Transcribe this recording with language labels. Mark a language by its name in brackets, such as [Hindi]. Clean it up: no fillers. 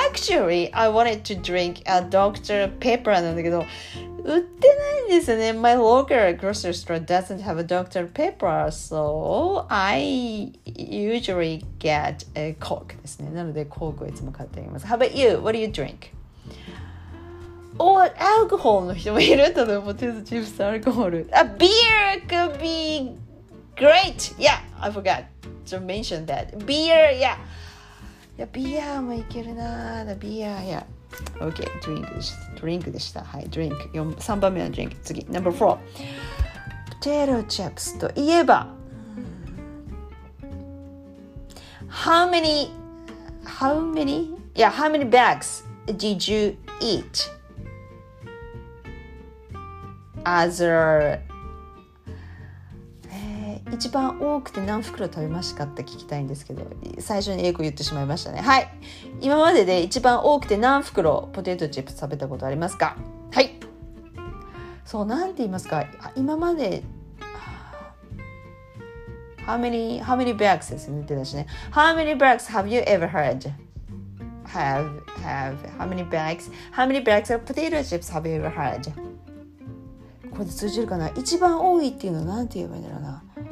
[English] Actually, I wanted to drink a Dr. [Japanese] Pepper なんだけど。売ってないんですよね。 [English] My local grocery store doesn't have a Dr. Pepper, so I usually get a Coke [Japanese] ですね。なので、コークをいつも買っています。 [English] How about you? What do you drink? [Japanese] Or alcohol の人もいる。例えば、チップスアルコール。 [English] A beer could be great! Yeah, I forgot to mention that. Beer, yeah. [Japanese] Yeah, beer もいけるな。 [English] The beer, yeah. [Japanese] OK、ドリンクでした。はい、ドリンク。 3番目のドリンク。次、Number 4。ポテトチップスといえば、 [English] How many bags did you eat as a [Japanese] 一番多くて何袋食べましたかって聞きたいんですけど、最初に英語言ってしまいましたね。はい、今までで一番多くて何袋ポテトチップス食べたことありますか。はい、そう、なんて言いますか、今まで [English] How many bags [Japanese] ですね、出だしね。 [English] How many bags have you ever heard? How many bags of potato chips have you ever heard? [Japanese] これで通じるかな。一番多いっていうのはなんて言えばいいんだろうな。